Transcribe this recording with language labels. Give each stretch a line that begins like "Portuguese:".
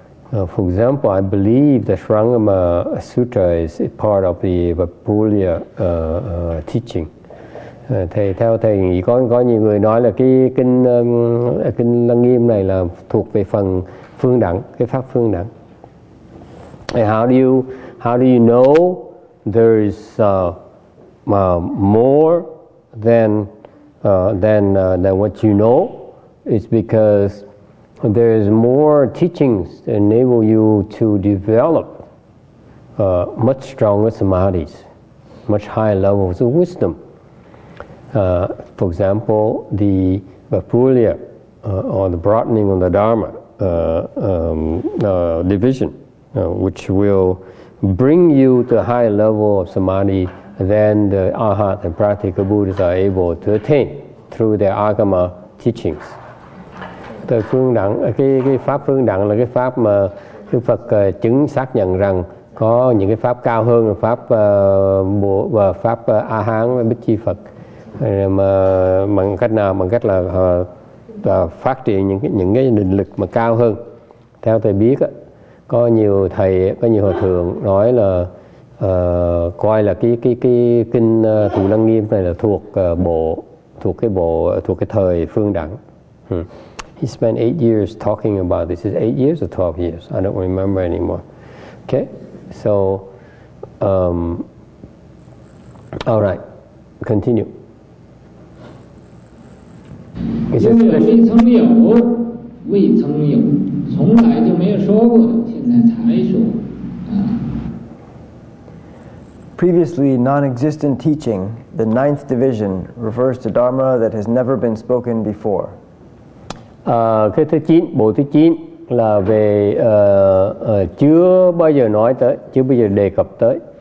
English: For example, I believe the Sarangama Sutra is part of the Vipulya teaching.
Vietnamese: Thầy theo thầy nghĩ có nhiều người nói là cái kinh Lăng Nghiêm này là thuộc về phần phương đẳng, cái pháp phương đẳng.
English: How do you know there is more than what you know? It's because there is more teachings that enable you to develop much stronger samadhis, much higher levels of wisdom. For example, the Vipulya on the broadening of the Dharma division, which will bring you to a higher level of samadhi than the arhat and practical Buddhists are able to attain through their agama teachings.
Vietnamese: The phương đẳng, cái pháp phương đẳng là cái pháp mà Đức Phật chứng xác nhận rằng có những cái pháp cao hơn pháp bộ và pháp a hán và bích chi Phật, mà bằng cách nào, bằng cách là phát triển những cái định lực mà cao hơn. Theo thầy biết, có nhiều thầy, có nhiều hòa thượng nói là coi là cái kinh Thủ Lăng Nghiêm này là thuộc bộ, thuộc cái thời phương đẳng.
English: He spent 8 years talking about this. Is 8 years or 12 years? I don't remember anymore. Okay. So, all right, continue. Previously, non-existent teaching, the ninth division, refers to Dharma that has never been spoken before.
Vietnamese: Cái thứ 9, bộ thứ 9 là về chưa bao giờ nói tới, chưa bao giờ đề cập tới.